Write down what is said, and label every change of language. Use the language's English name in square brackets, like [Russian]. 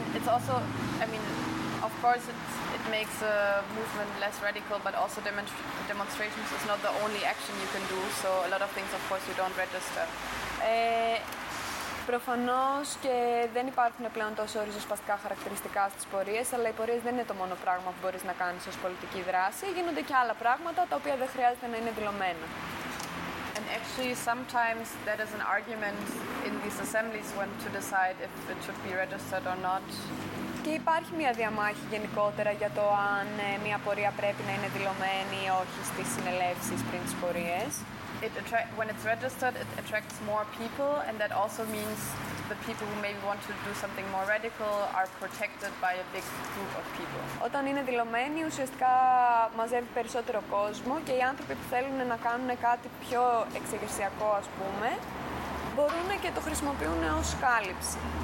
[English] Of course, it makes a movement less radical, but also demonstrations is not the only action you can do. So a lot of things, of course, you don't register. [Greek] Προφανώς και δεν υπάρχουν πλέον τόσο ριζοσπαστικά χαρακτηριστικά στις πορείες, αλλά οι πορείες δεν είναι το μόνο πράγμα που μπορείς να κάνεις ως πολιτική δράση. Γίνονται και άλλα πράγματα τα οποία δεν χρειάζεται να είναι δηλωμένα. [English] And actually, sometimes that is an argument in these assemblies when to decide if it should be registered or not. [Greek] Και υπάρχει μια διαμάχη γενικότερα για το αν μια πορεία πρέπει να είναι δηλωμένη ή όχι στις συνελεύσεις πριν τις πορείες. [English] When it's registered, it attracts more people, and that also means the people who maybe want to do something more radical are protected by a big group of people. [Greek] Όταν είναι δηλωμένη, ουσιαστικά μαζεύει περισσότερο κόσμο και οι άνθρωποι που θέλουν να κάνουν κάτι πιο εξεγερσιακό, ας πούμε, μπορούν και το χρησιμοποιούν ως κάλυψη.